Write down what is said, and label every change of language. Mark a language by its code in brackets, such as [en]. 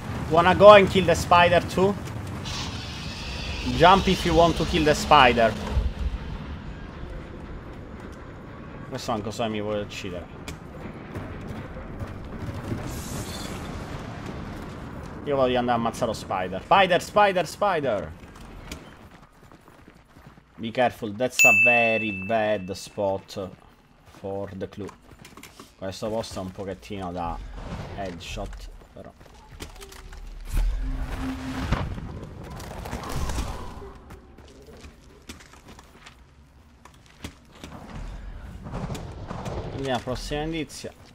[en] Wanna go and kill the spider too? Jump if you want to kill the spider. [it] Questo manco so che mi vuole uccidere. Io voglio andare a ammazzare lo spider. [en] Spider, spider, spider. Be careful, that's a very bad spot for the clue. [it] Questo posto è un pochettino da headshot, però. Andiamo al prossimo indizio.